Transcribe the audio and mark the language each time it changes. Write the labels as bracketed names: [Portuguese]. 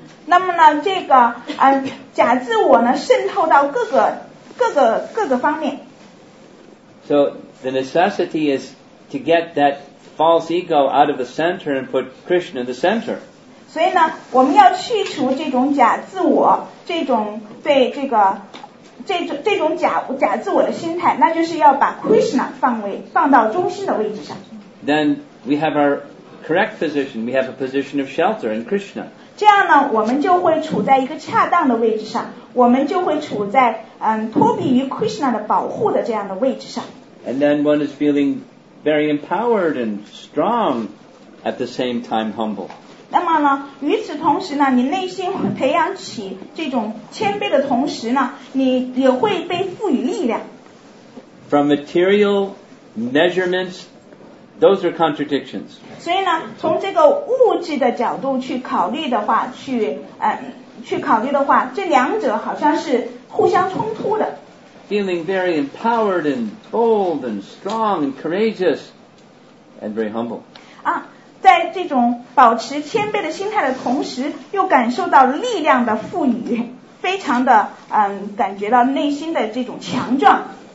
[Chinese] 那么呢，这个假自我呢渗透到各个方面。 [English] So the necessity is to get that false ego out of the center and put Krishna in the center. [Chinese] 所以呢，我们要去除这种假自我，这种对这个这种假自我的心态，那就是要把 Krishna 放到中心的位置上。 [English] Then we have our correct position. We have a position of shelter in Krishna. [Chinese] 这样呢，我们就会处在一个恰当的位置上，我们就会处在脱离于 Krishna 的保护的这样的位置上。 [English] And then one is feeling very empowered and strong at the same time humble. [Chinese] 那么呢，与此同时呢，你内心培养起这种谦卑的同时呢，你也会被赋予力量。 [English] From material measurements. Those are contradictions. [Chinese] 所以呢，从这个物质的角度去考虑的话，去考虑的话，这两者好像是互相冲突的。 [English] Feeling very empowered and bold and strong and courageous and very humble. [Chinese] 啊，在这种保持谦卑的心态的同时，又感受到力量的赋予，非常的感觉到内心的这种强壮。